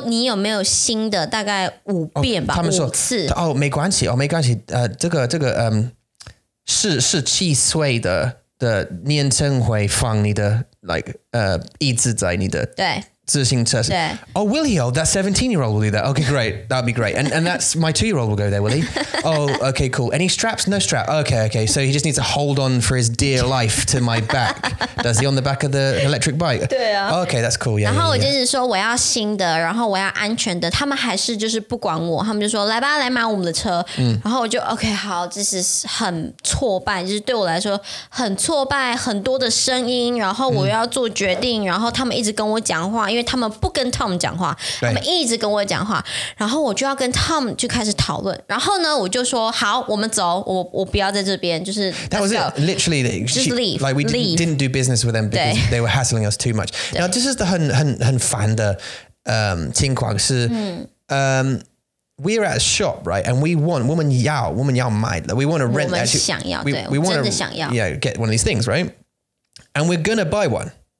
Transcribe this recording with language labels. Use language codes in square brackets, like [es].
[zh] 然后我就一直大概说你有没有新的大概五遍吧。他们说五次。哦没关系。这个17岁的年轻会放你的 椅子在你的对。 [en] 自行车, oh, will he? Oh, that 17-year-old will do that. Okay, great. That'd be great. And that's my 2-year-old will go there, will he? Oh, okay, cool. Any straps? No strap. Okay. So he just needs to hold on for his dear life to my back. Does he on the back of the electric bike? Okay, that's cool. Yeah. [zh] 然后我就是说我要新的，然后我要安全的。他们还是就是不管我，他们就说来吧，来买我们的车。然后我就 okay, 好，这是很挫败，就是对我来说很挫败，很多的声音，然后我要做决定，然后他们一直跟我讲话，因为为他们不跟 Tom 讲话，他们一直跟我讲话，然后我就要跟 Tom 就开始讨论，然后呢，我就说好，我们走，我不要在这边，就是 [en] That was it. Literally, just leave. Like we leave. Didn't do business with them because they were hassling us too much. Now this is the [zh] 很烦的情况是 [en] We're at a shop, right? And we want, [zh] 我们要买, [en] we want to rent, [zh] 我们想要, [en] yeah, get one of these things, right? And we're going to buy one.